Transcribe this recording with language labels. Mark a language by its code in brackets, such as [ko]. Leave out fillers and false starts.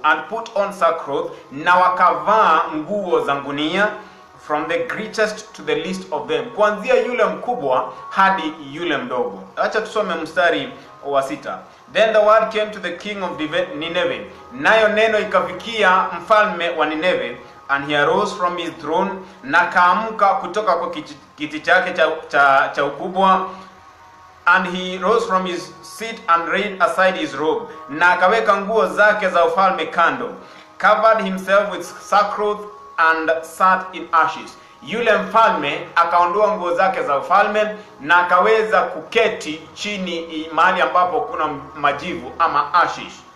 [en] And put on sackcloth, [sw] na wakavaa nguo za gunia, [en] from the greatest to the least of them. [sw] Kuanzia yule mkubwa hadi yule mdogo. Acha tusome mstari wa sita. [en] Then the word came to the king of Nineveh. [sw] Nayo neno ikafikia mfalme wa Nineveh. [en] And he arose from his throne. [sw] Na kaamuka kutoka kwa kiti chake cha ukubwa. [en] And he rose from his seat and laid aside his robe. [sw] Na akaweka nguo zake za ufalme kando. [en] Covered himself with sackcloth and sat in ashes. [sw] Yule mfalme akaondoa nguo zake za ufalme na akaweza kuketi chini mahali ambapo kuna majivu ama ashes.